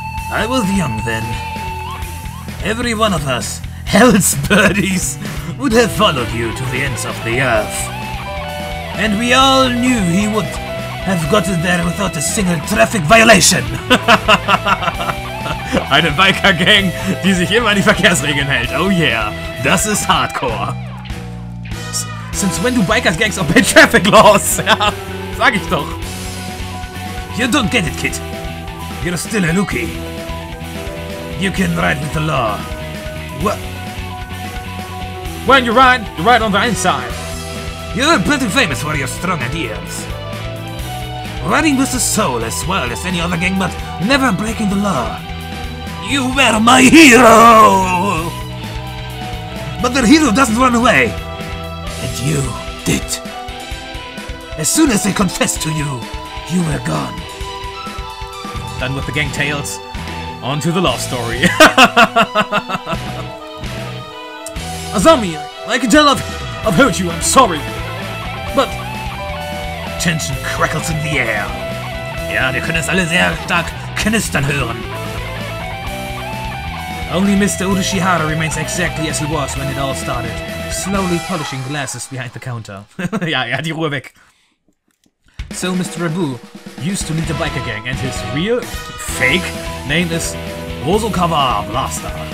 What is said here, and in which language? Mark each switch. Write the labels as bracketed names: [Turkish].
[English] I was young then. Every one of us, hell's birdies, would have followed you to the ends of the earth. And we all knew he would have gotten there without a single traffic violation. [German] Eine Biker-Gang, die sich immer an die Verkehrsregeln hält. Oh yeah, das ist hardcore. [English] Since when do Biker-Gangs obey traffic laws? [German] Sag ich doch. [English] You don't get it, kid. You're still a rookie. You can ride with the law. What? When you ride on the inside. You're pretty famous for your strong ideas. Riding with the soul as well as any other gang, but never breaking the law. You were my hero! But the hero doesn't run away. And you did. As soon as they confessed to you, you were gone. Done with the gang tales. On to the love story. Azami, I can tell I've hurt you, I'm sorry. But... Tension crackles in the air. [German] Ja, wir können es alle sehr stark knistern hören. [English] Only Mr. Urushihara remains exactly as he was when it all started, slowly polishing glasses behind the counter. [German] Ja, er hat die Ruhe weg. [English] So Mr. Rabu used to lead the biker gang, and his real, fake, name is Rosokawa Blaster.